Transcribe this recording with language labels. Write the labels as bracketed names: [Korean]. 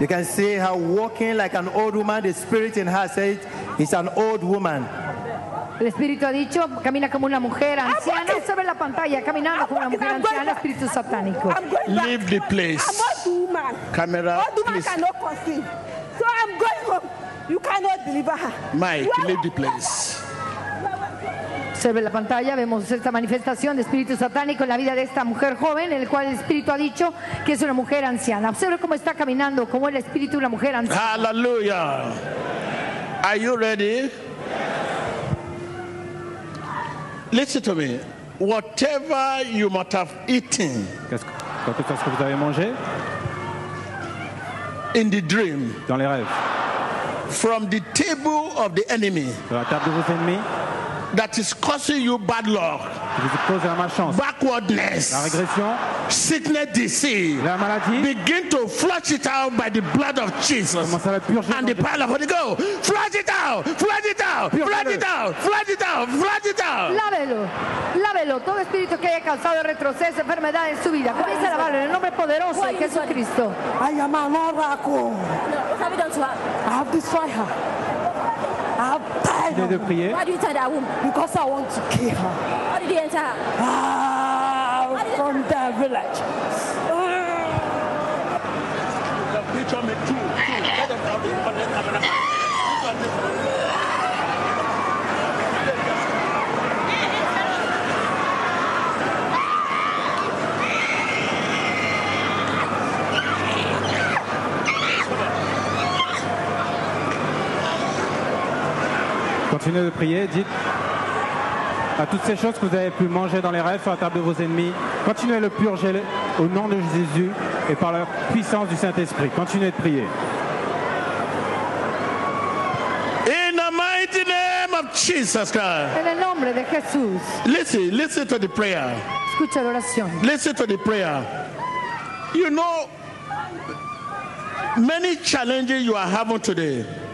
[English] You can see her walking like an old woman. The spirit in her says, it's an old woman. [Spanish] El espíritu ha dicho, camina como una mujer anciana. Se ve la pantalla, caminando como una mujer anciana, espíritu satánico. [English] Leave the place. I'm old woman. Camera, old woman please. Cannot conceive. So I'm going home. You cannot deliver her. Mike, leave the place. [Spanish] Observe la pantalla, vemos esta manifestación de espíritu satánico en la vida de esta mujer joven, en el cual el espíritu ha dicho que es una mujer anciana. Observe cómo está caminando, cómo el espíritu de una mujer anciana. [English] Aleluya. Are you ready? Listen to me. Whatever you might have eaten. [French] Qu'est-ce que vous avez mangé? [English] In the dream. [French] Dans les rêves. [English] From the table of the enemy. [French] De la table de vos ennemis. [English] That is causing you bad luck. backwardness, [French] la régression, [English] sickness, disease, [French] la maladie, [English] begin to flush it out by the blood of Jesus and the power of Holy Ghost. Flush it out, flush it out, flush it out, flush it out, flush it out. [Spanish] Lávelo, lávelo. Todo espíritu que haya causado retroceso, enfermedad en su vida, comienza a lavarlo en el nombre poderoso de Jesucristo. [English] I am an oracle. No, what have you done to her? I have destroyed her. Why do you enter that womb? Because I want to kill her. How did you enter her? From the village. The preacher may kill. [French] Continuez de prier, dites à toutes ces choses que vous avez pu manger dans les rêves sur la table de vos ennemis, continuez de purger au nom de Jésus et par la puissance du Saint-Esprit. Continuez de prier. [English] In the mighty name of Jesus Christ. [French] En le nom de Jésus. [English] Listen, listen to the prayer. [Spanish] Escucha la oración. [English] Listen to the prayer. You know, many challenges you are having today.